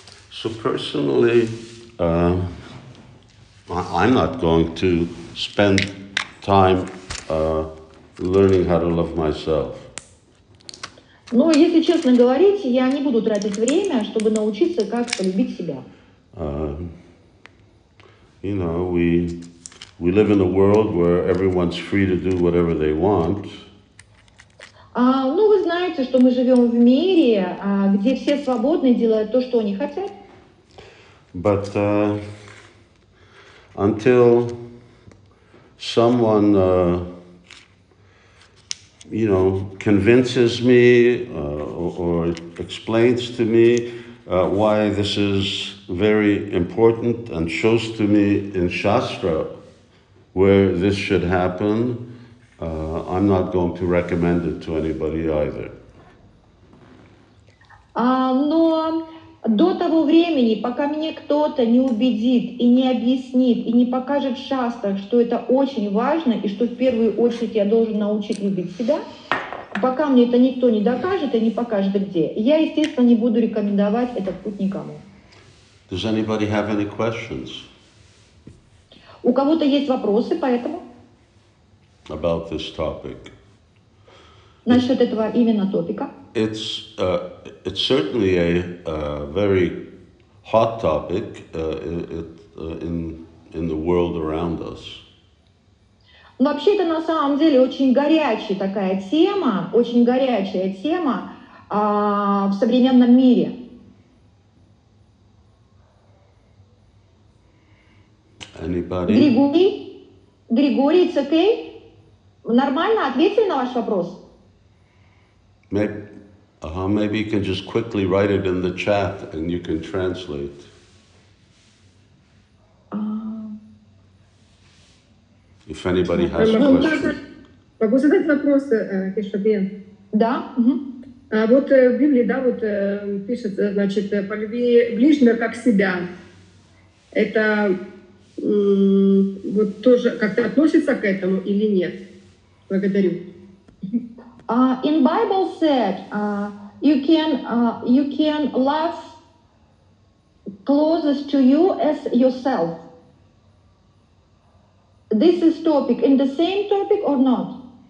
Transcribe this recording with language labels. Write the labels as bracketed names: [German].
[English] So personally, I'm not going to spend time learning how to love myself. [Russian] Ну, если честно говорить, я не буду тратить время, чтобы научиться как полюбить себя. [English] You know, we live in a world where everyone's free to do whatever they want. [Russian] Ну, вы знаете, что мы живем в мире, где все свободны делают то, что они хотят. [English] But until someone, you know, convinces me or explains to me why this is very important and shows to me in Shastra where this should happen, I'm not going to recommend it to anybody either. [Russian] До того времени, пока мне кто-то не убедит и не объяснит и не покажет в шастрах, что это очень важно и что в первую очередь я должен научить любить себя, пока мне это никто не докажет и не покажет где, я, естественно, не буду рекомендовать этот путь никому. [English] Does anybody have any questions? [Russian] У кого-то есть вопросы по этому? [English] About this topic. [Russian] Насчет этого именно топика? [English] It's certainly a very hot topic in the world around us. [Russian] Вообще-то на самом деле очень горячая такая тема, очень горячая тема в современном мире. [English] Anybody? [Russian] Григорий, [English] it's okay? [Russian] Нормально? Ответили на ваш вопрос? [English] Maybe you can just quickly write it in the chat and you can translate. If anybody has a question. [Russian] Могу задать вопрос, Кешабен? Да. Вот в Библии, да, вот пишет, значит, полюби ближнего как себя. Это вот тоже как-то относится к этому или нет? Благодарю. [English] In Bible said, you can love closest to you as yourself. This is topic in the same topic or not?